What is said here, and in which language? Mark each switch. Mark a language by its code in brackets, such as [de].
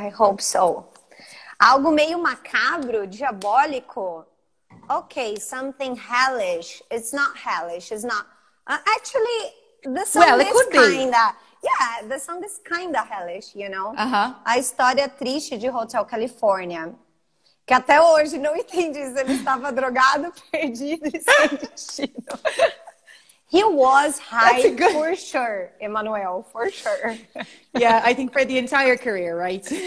[en] I hope so. [pt] Algo meio macabro, diabólico. [en] Okay, something hellish. It's not hellish. It's not. Actually, the song the song is kind of hellish, you know? Uh-huh. [pt] A história triste de Hotel California. Que até hoje não entendi se ele estava drogado, perdido e sem destino. [en] He was high for sure, Emmanuel, for sure. Yeah, I think for the entire career, right?